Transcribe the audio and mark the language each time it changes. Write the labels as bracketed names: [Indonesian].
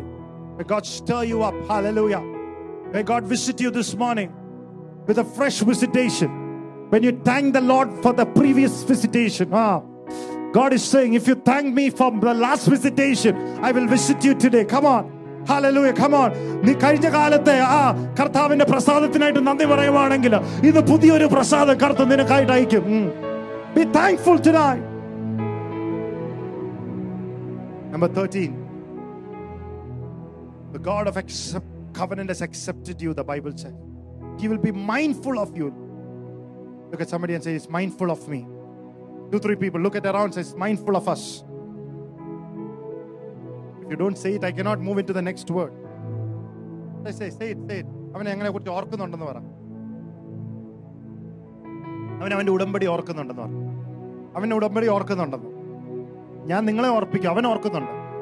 [English] May God stir you up. Hallelujah. May God visit you this morning with a fresh visitation. When you thank the Lord for the previous visitation. Ah, God is saying, if you thank me for the last visitation, I will visit you today. Come on. Hallelujah. Come on. [Malayalam] നീ കഴിഞ്ഞ കാലത്തെ ആ കർത്താവിന്റെ പ്രസാദത്തിനായിട്ട് നന്ദി പറയുവാണെങ്കിൽ ഇന്ന് പുതിയൊരു പ്രസാദം കർത്ത നിനക്കായിട്ട് അയക്കും. [English] Be thankful tonight. Number 13. The God of covenant has accepted you, the Bible says. He will be mindful of you. Look at somebody and say, He's mindful of me. 2-3 people, look at around and say, He's mindful of us. If you don't say it, I cannot move into the next word. Say it. [Malayalam] അവനെ എങ്ങനെ കുറിച്ച് ഓർക്കുന്നുണ്ടെന്ന് പറ. അവന്റെ ഉടമ്പടി ഓർക്കുന്നുണ്ടെന്ന് പറ. അവന്റെ ഉടമ്പടി ഓർക്കുന്നുണ്ടെന്ന്. ഞാൻ നിങ്ങളെ ഓർപ്പിക്കും, അവൻ ഓർക്കുന്നുണ്ട്.